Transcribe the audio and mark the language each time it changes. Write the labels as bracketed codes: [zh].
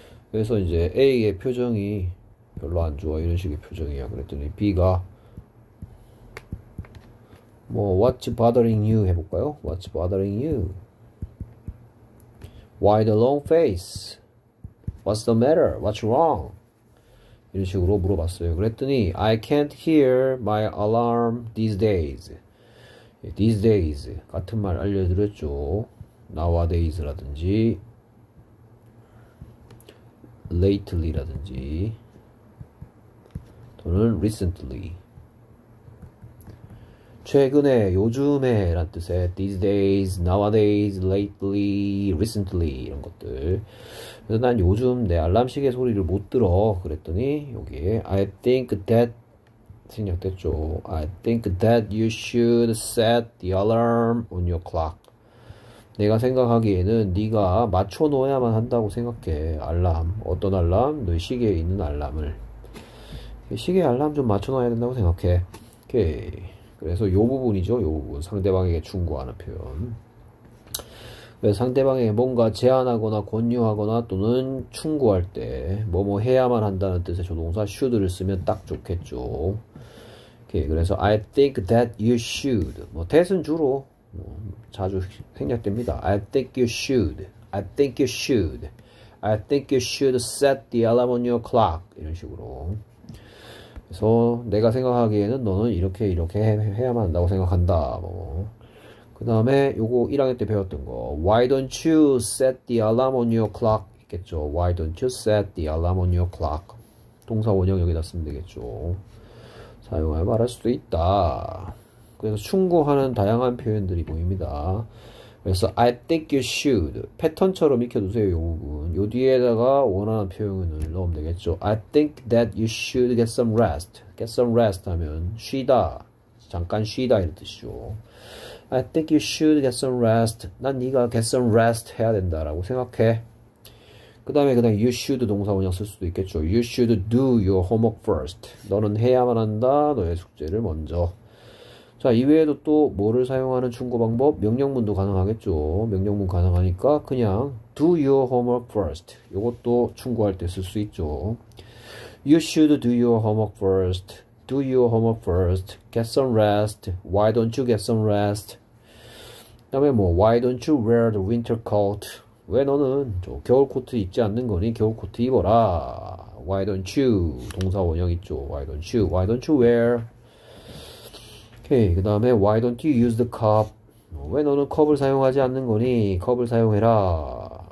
[ko] 그래서 이제 A의 표정이 별로 안 좋아 이런 식의 표정이야. 그랬더니 B가 뭐 [en] What's bothering you [ko] 해볼까요? [en] What's bothering you? Why the long face? What's the matter? What's wrong? [ko] 이런 식으로 물어봤어요. 그랬더니 [en] I can't hear my alarm these days. [ko] These days 같은 말 알려드렸죠. Nowadays라든지 lately라든지 또는 recently 최근에 요즘에 라는 뜻의 these days, nowadays, lately, recently 이런 것들. 그래서 난 요즘 내 알람 시계 소리를 못 들어. 그랬더니 여기에 I think that 생략됐죠. [en] I think that you should set the alarm on your clock. [ko] 내가 생각하기에는 네가 맞춰 놓아야만 한다고 생각해. 알람. 어떤 알람? 너 시계에 있는 알람을. 시계 알람 좀 맞춰 놔야 된다고 생각해. 오케이. 그래서 요 부분이죠. 요 부분. 상대방에게 충고하는 표현. 그래서 상대방에게 뭔가 제안하거나 권유하거나 또는 충고할 때 뭐뭐 해야만 한다는 뜻의 조동사 should를 쓰면 딱 좋겠죠. 오케이. 그래서 [en] I think that you should. [ko] 뭐 that은 주로 자주 생략됩니다. [en] I think you should. I think you should. I think you should set the alarm on your clock. [ko] 이런 식으로. 그래서 내가 생각하기에는 너는 이렇게 이렇게 해야만 한다고 생각한다. 뭐. 그 다음에 요거 1학년 때 배웠던 거. [en] Why don't you set the alarm on your clock? [ko] 있겠죠. [en] Why don't you set the alarm on your clock? [ko] 동사 원형 여기다 쓰면 되겠죠. 사용하여 말할 수도 있다. 그래서 충고하는 다양한 표현들이 보입니다. 그래서 [en] I think you should [ko] 패턴처럼 익혀두세요. 이 부분 요 뒤에다가 원하는 표현을 넣으면 되겠죠. [en] I think that you should get some rest. Get some rest [ko] 하면 쉬다, 잠깐 쉬다 이런 뜻이죠. [en] I think you should get some rest. [ko] 난 네가 [en] get some rest [ko] 해야 된다라고 생각해. 그다음에 [en] you should [ko] 동사 원형 쓸 수도 있겠죠. [en] You should do your homework first. [ko] 너는 해야만 한다. 너의 숙제를 먼저. 자, 이외에도 또 뭐를 사용하는 충고 방법? 명령문도 가능하겠죠. 명령문 가능하니까 그냥 [en] do your homework first. [ko] 이것도 충고할 때쓸수 있죠. [en] You should do your homework first. Do your homework first. Get some rest. Why don't you get some rest? [ko] 그다음에 뭐 [en] why don't you wear the winter coat? [ko] 왜 너는 저 겨울 코트 입지 않는 거니? 겨울 코트 입어라. [en] Why don't you? [ko] 동사 원형 있죠. [en] Why don't you? Why don't you wear? [ko] 오케이. 그 다음에 [en] why don't you use the cup? [ko] 왜 너는 컵을 사용하지 않는 거니? 컵을 사용해라.